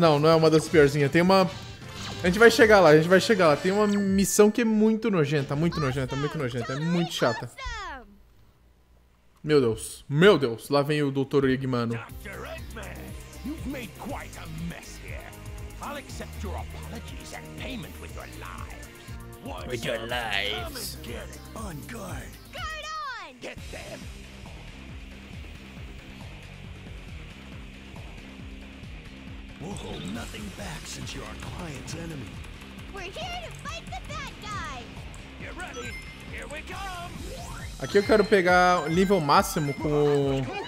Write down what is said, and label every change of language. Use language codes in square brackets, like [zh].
[pt] Não, não é uma das piorzinhas, tem uma... A gente vai chegar lá. Tem uma missão que é muito nojenta, é muito chata. Meu Deus, lá vem o Dr. Eggman. Dr. Eggman, você fez [en] quite a mess here. I'll accept your apologies and payment with your life. With your lives. On guard. Guard on! Get them! We'll hold nothing back since you're our client's enemy. We're here to fight the bad guy! Get ready! Here we come! [pt] Aqui eu quero pegar o nível máximo com...